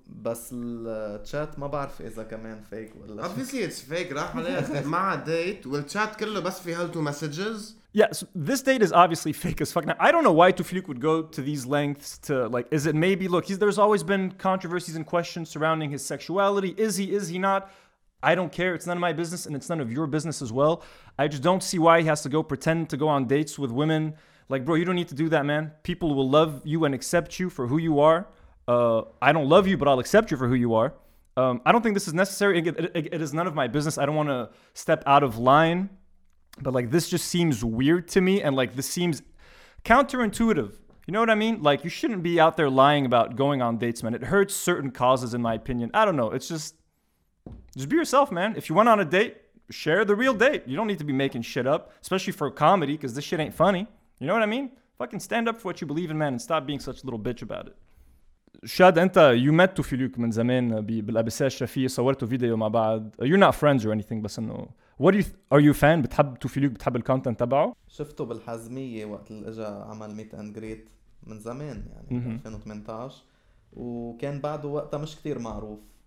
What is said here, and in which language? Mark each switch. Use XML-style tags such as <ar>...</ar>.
<ar>بس التشات ما بعرف اذا كمان فيك ولا</ar> <en>obviously it's fake</en> <ar>راح عليه مع ديت والتشات كله بس فيه هالتو مسجز</ar> <en>Yes, this date is obviously fake as fuck. Now, I don't know why Tufi Luke would go to these lengths to, like, is it maybe, look, there's always been controversies and questions surrounding his sexuality. Is he not? I don't care. It's none of my business and it's none of your business as well. I just don't see why he has to go pretend to go on dates with women. Like, bro, you don't need to do that, man. People will love you and accept you for who you are. I don't love you, but I'll accept you for who you are. I don't think this is necessary. It is none of my business. I don't want to step out of line. But like, this just seems weird to me. And like, this seems counterintuitive. You know what I mean? Like, you shouldn't be out there lying about going on dates, man. It hurts certain causes, in my opinion. I don't know. It's just... Just be yourself, man. If you went on a date, share the real date. You don't need to be making shit up, especially for comedy, because this shit ain't funny. You know what I mean? Fucking stand up for what you believe in, man, and stop being such a little bitch about it.</en> <ar>Shad, enta,</ar> <en>you met</en> <ar>Tufi Luke من زمان بالأبسة الشافية صورتوا فيديو مع بعض.</ar> <en>You're not friends or anything,</en> <ar>بس إنه.</ar> <en>What do you are you a fan?</en> <ar>بتحب Tufi Luke بتحب الكونتنت تبعه؟ شفته بالحزمية وقت اللي اجا عمل Meet and Greet من زمان يعني 2018 وكان بعده وقتها مش كتير معروف.</ar>